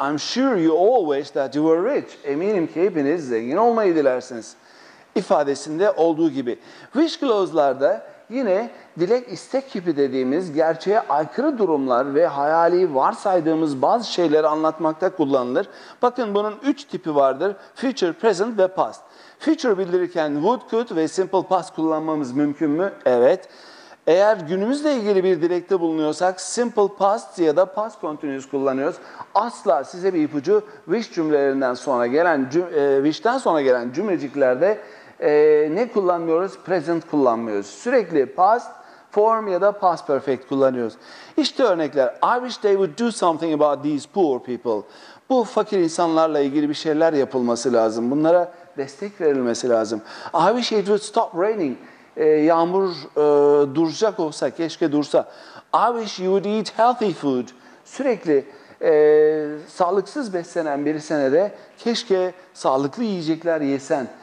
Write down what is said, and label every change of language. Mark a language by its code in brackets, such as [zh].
[en] I'm sure you all wish that you were rich. [tr] Eminim ki hepiniz zengin olmayı dilersiniz. İfadesinde olduğu gibi. Wish clause'larda yine dilek istek gibi dediğimiz gerçeğe aykırı durumlar ve hayali varsaydığımız bazı şeyleri anlatmakta kullanılır. Bakın bunun 3 tipi vardır. Future, present ve past. Future bildirirken would, could ve simple past kullanmamız mümkün mü? Evet. Eğer günümüzle ilgili bir dilekte bulunuyorsak simple past ya da past continuous kullanıyoruz. Asla size bir ipucu wish cümlelerinden sonra gelen wish'ten sonra gelen cümleciklerde ne kullanmıyoruz? Present kullanmıyoruz. Sürekli past form ya da past perfect kullanıyoruz. İşte örnekler. [en] I wish they would do something about these poor people. [tr] Bu fakir insanlarla ilgili bir şeyler yapılması lazım. Bunlara destek verilmesi lazım. [en] I wish it would stop raining. [tr] Yağmur duracak olsa, keşke dursa. [en] I wish you would eat healthy food. [tr] Sürekli sağlıksız beslenen birisine de keşke sağlıklı yiyecekler yesen.